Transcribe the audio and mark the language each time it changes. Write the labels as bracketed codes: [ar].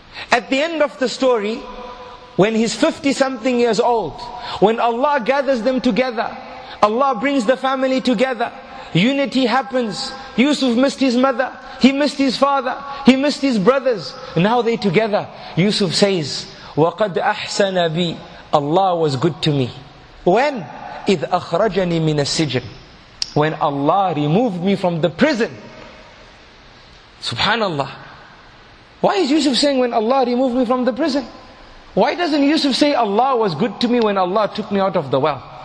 [en] At the end of the story, when he's 50 something years old, when Allah gathers them together, Allah brings the family together, unity happens. Yusuf missed his mother, he missed his father, he missed his brothers. Now they're together. [ar] Yusuf says, وَقَدْ أَحْسَنَ بِي. [en] Allah was good to me. When? [ar] إِذْ أَخْرَجَنِي مِنَ السِّجْنِ. [en] When Allah removed me from the prison. Subhanallah. Why is Yusuf saying, when Allah removed me from the prison? Why doesn't Yusuf say, Allah was good to me when Allah took me out of the well?